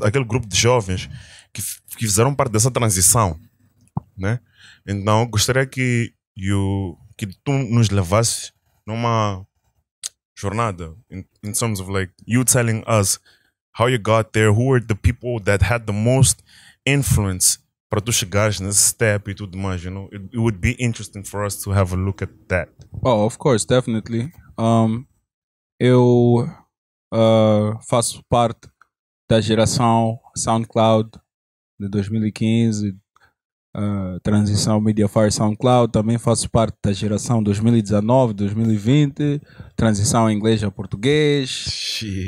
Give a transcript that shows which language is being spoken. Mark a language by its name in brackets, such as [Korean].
[Portuguese] Aquele grupo de jovens que fizeram parte dessa transição, né? Então, gostaria que tu nos levasses numa jornada [English] in terms of like you telling us how you got there, who were the people that had the most influence [Portuguese] para tu chegares nesse [English] step [Portuguese] e tudo mais, [English] you know? It would be interesting for us to have a look at that. Oh, of course, definitely. [Portuguese] Eu faço parte da geração SoundCloud de 2015, transição Mediafire SoundCloud. Também faço parte da geração 2019, 2020, transição inglês a português.